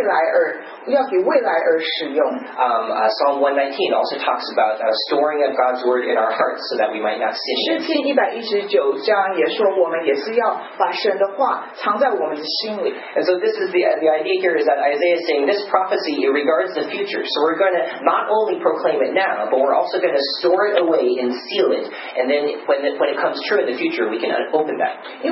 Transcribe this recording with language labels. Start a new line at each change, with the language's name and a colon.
Chinese: 这哈巴古书也是说，我们要把神的话存起来、藏起来，要给未来而使用。
English: Psalm 119 also talks about storing up God's word in our hearts so that we might not sin.
Chinese: 诗篇119章也说，我们也是要把神的话藏在我们的心里。
English: And so this is the idea here is that Isaiah is saying this prophecy regards the future. So we're going to not only proclaim it now, but we're also going to store it away and seal it. And then when it comes true in the future, we can open that.